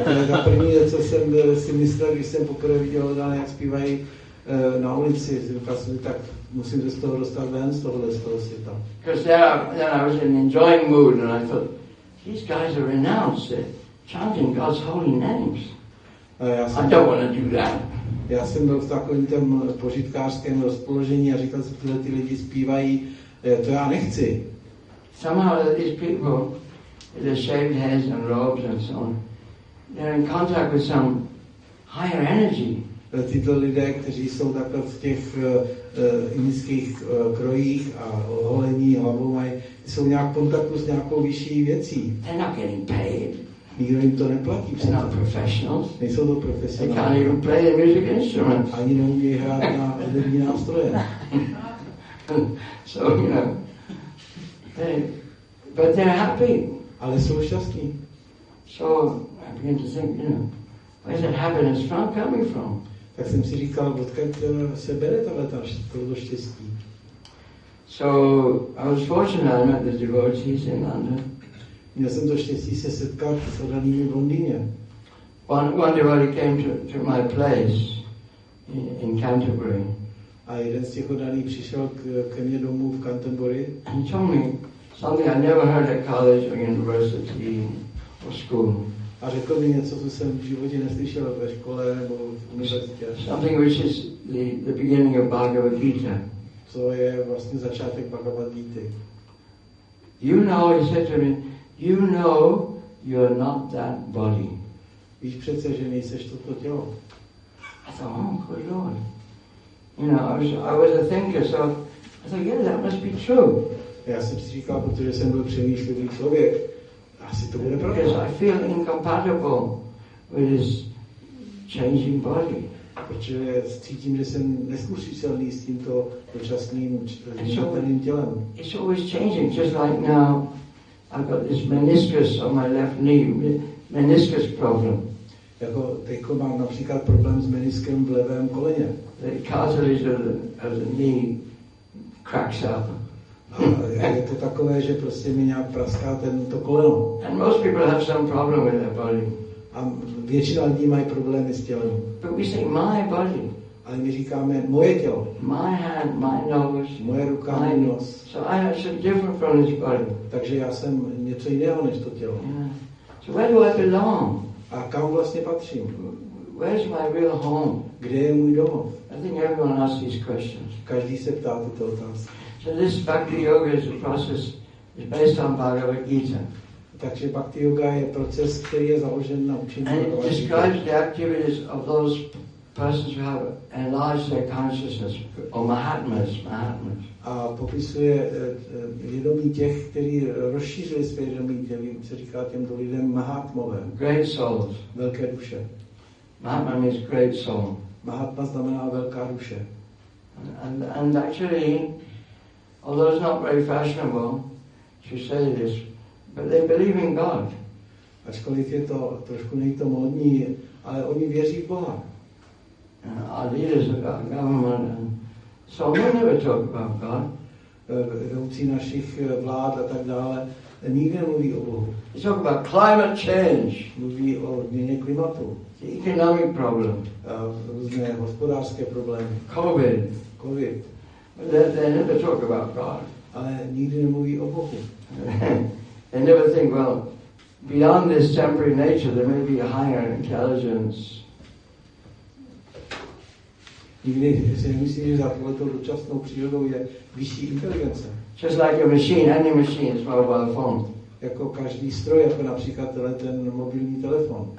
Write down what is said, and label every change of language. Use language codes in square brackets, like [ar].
[cs] Na první věc, co jsem si myslel, když jsem poprvé viděl dále, jak zpívají na ulici, tak musím se z toho dostat ven, z toho světa. [en] Because then I was in an enjoying mood and I thought, these guys are renounced, chanting God's holy names. I don't want to do that. [cs] Já jsem byl v takovém tom požitkářském rozpoložení a říkal jsem, že ty lidi zpívají, to já nechci. [en] Somehow these people with their shaved heads and robes and so on, they're in contact with some higher energy. [cs] Tyto lidé, kteří jsou takhle v těch indických krojích a holení hlavou mají, jsou nějak v kontaktu s nějakou vyšší věcí. [en] They're not getting paid. [cs] Nikdo jim to neplatí. [en] They're not professionals. [cs] Nejsou to profesionálové. [en] They can't even play a music instrument. [cs] Ani neumí hrát na hudební nástroje. [en] So, you know, but they're happy. [cs] Ale jsou šťastní. [en] So I begin to think, you know, where is that happiness from coming from? [cs] Tak jsem si říkal, odkud se bere tohle štěstí. [en] So I was fortunate I met the devotees in London. [cs] Měl jsem to štěstí se setkat s odanými v Londýně. [en] One devotee came to my place in Canterbury. [cs] A jeden z těch odaných přišel ke mně domů v Canterbury. [en] And told me something I never heard at college or university or school. [cs] A řekl mi něco, co jsem v životě neslyšel ve škole nebo v univerzitě. [en] Something which is the beginning of Bhagavad Gita. [cs] Co je vlastně začátek Bhagavad Gita. [en] You know, he said to me, you know you're not that body. [cs] Víš přece, že nejseš toto tělo. [en] I thought, oh, good Lord. You know, I was a thinker, so I thought, yeah, that must be true. [cs] Já jsem si říkal, protože jsem byl přemýšlivý člověk. Asi to bude pravda. [en] Because I feel incompatible with this changing body. [cs] Protože cítím, že jsem neskusitelný s tímto dočasným změněným tělem. [en] It's always changing, just like now. I've got this meniscus on my left knee, meniscus problem. [cs] Jako teď mám například problém s meniskem v levém koleně. [en] The cartilage of the knee cracks up. [cs] A je to takové, že prostě mi nějak praská tento koleno. [en] And most people have some problem with their body. [cs] A většina lidí mají problémy s tělem. [en] But we say my body. [cs] Ale my říkáme moje tělo. [en] My hand, my nose. [cs] Moje ruka, my nos. [en] So I have something different from this body. [cs] Takže já jsem něco jiného než to tělo. [en] Yeah. So where do I belong? [cs] A kam vlastně patřím? [en] Where's my real home? [cs] Kde je můj domov? [en] I think everyone asks these questions. [cs] Každý se ptá tyto otázky. [en] So this Bhakti Yoga is a process is based on Bhagavad Gita. [cs] Takže Bhakti Yoga je proces, který je založen na učení. [en] And it describes the activities of those persons who have enlarged their consciousness, or mahatmas. [cs] A popisuje vědomí těch, kteří rozšířili své vědomí, kteří se říká těmto lidem mahatmové. [en] Great souls. [cs] Velké duše. [en] Mahatma means great soul. [cs] Mahatma znamená velká duše. [en] And actually, although it's not very fashionable to say this, but they believe in God. [cs] Ačkoliv je to trošku nejto módní, ale oni věří v Boha. [en] Our leaders of our government and so many never talk about God. [cs] vedoucí našich vlád a tak dále, nikdy nemluví o Bohu. [en] They talk about climate change. [cs] Mluví o změně klimatu. [en] The economic problem. [cs] Různé hospodářské problémy. [en] COVID. [cs] COVID. [en] They never talk about God. [cs] Ale nikdy nemluví o Bohu. [en] They never think, well, beyond this temporary nature, there may be a higher intelligence. [cs] Nikdy se nemyslí, že za tohleto dočasnou přírodou je vyšší inteligence. [en] Just like a machine, any machine is mobile phone. [cs] Jako každý stroj, jako například ten mobilní telefon.